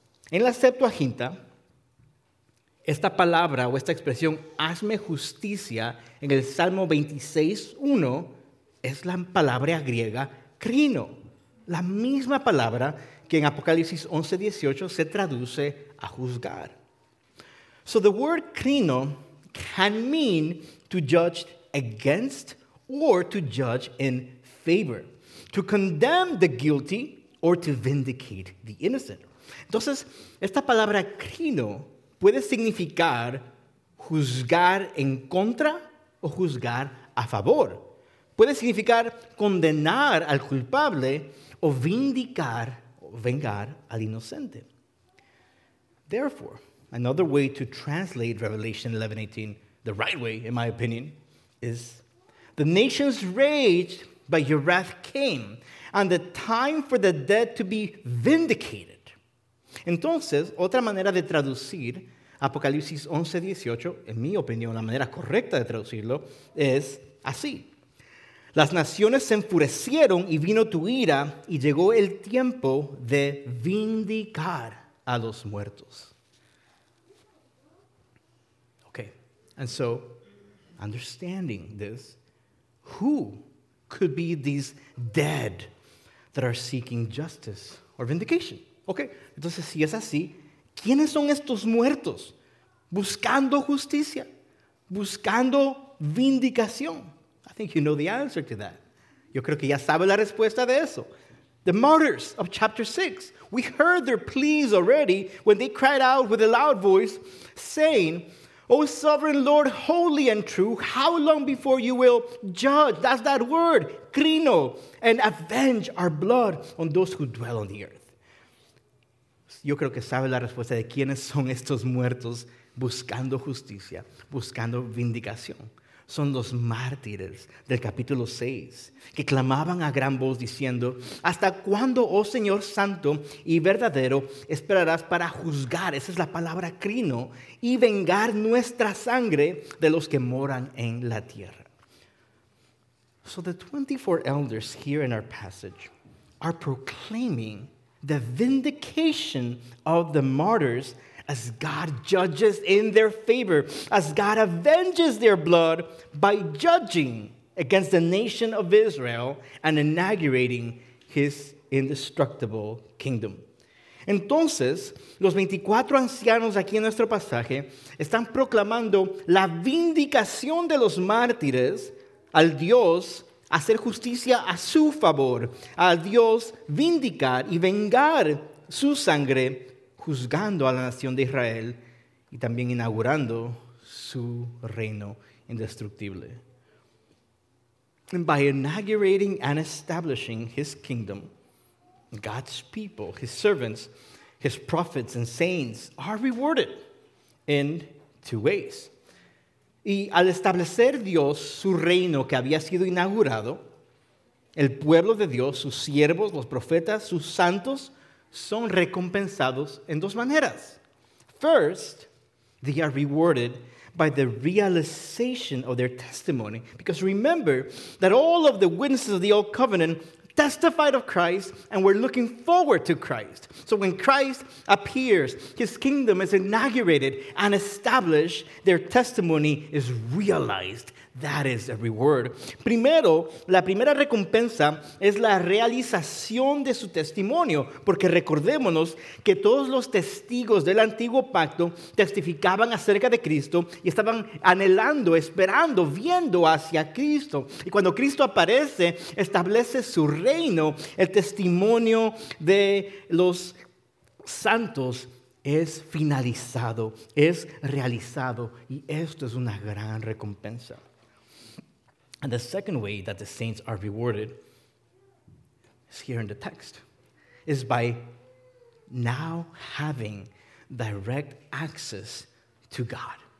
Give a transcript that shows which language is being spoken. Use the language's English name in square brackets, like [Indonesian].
[Spanish] En la Septuaginta, esta palabra o esta expresión, "hazme justicia", en el Salmo 26:1, es la palabra griega krino, la misma palabra que en Apocalipsis 11:18 se traduce a juzgar. [English] So the word krino can mean to judge against or to judge in favor, to condemn the guilty or to vindicate the innocent. [Spanish] Entonces, esta palabra krino puede significar juzgar en contra o juzgar a favor. Puede significar condenar al culpable o vindicar o vengar al inocente. [English] Therefore, another way to translate Revelation 11:18 the right way, in my opinion, is, "The nations raged, but your wrath came, and the time for the dead to be vindicated." [Spanish] Entonces, otra manera de traducir Apocalipsis 11:18, en mi opinión, la manera correcta de traducirlo, es así: "Las naciones se enfurecieron y vino tu ira y llegó el tiempo de vindicar a los muertos." [English] Okay, and so, understanding this, who could be these dead that are seeking justice or vindication? [Spanish] Okay, entonces si es así, ¿quiénes son estos muertos buscando justicia, buscando vindicación? [English] I think you know the answer to that. [Spanish] Yo creo que ya sabe la respuesta de eso. [English] The martyrs of chapter 6. We heard their pleas already when they cried out with a loud voice, saying, "O sovereign Lord, holy and true, how long before you will judge," that's that word, krino, "and avenge our blood on those who dwell on the earth." [Spanish] Yo creo que sabe la respuesta de quiénes son estos muertos buscando justicia, buscando vindicación. Son los mártires del capítulo 6, que clamaban a gran voz diciendo, "¿Hasta cuándo, oh Señor Santo y verdadero, esperarás para juzgar?" Esa es la palabra krino. "Y vengar nuestra sangre de los que moran en la tierra." [English] So the 24 elders here in our passage are proclaiming the vindication of the martyrs as God judges in their favor, as God avenges their blood by judging against the nation of Israel and inaugurating his indestructible kingdom. [Spanish] Entonces, los 24 ancianos aquí en nuestro pasaje están proclamando la vindicación de los mártires al Dios hacer justicia a su favor, a Dios vindicar y vengar su sangre, juzgando a la nación de Israel y también inaugurando su reino indestructible. [English] And by inaugurating and establishing his kingdom, God's people, his servants, his prophets and saints are rewarded in two ways. [Spanish] Y al establecer Dios su reino que había sido inaugurado, el pueblo de Dios, sus siervos, los profetas, sus santos, son recompensados en dos maneras. [English] First, they are rewarded by the realization of their testimony. Because remember that all of the witnesses of the old covenant testified of Christ, and we're looking forward to Christ. So when Christ appears, his kingdom is inaugurated and established, their testimony is realized. That is a reward. [Spanish] Primero, la primera recompensa es la realización de su testimonio, porque recordémonos que todos los testigos del antiguo pacto testificaban acerca de Cristo y estaban anhelando, esperando, viendo hacia Cristo. Y cuando Cristo aparece, establece su reino. El testimonio de los santos es finalizado, es realizado, y esto es una gran recompensa. [English] And the second way that the saints are rewarded is here in the text, is by now having direct access to God.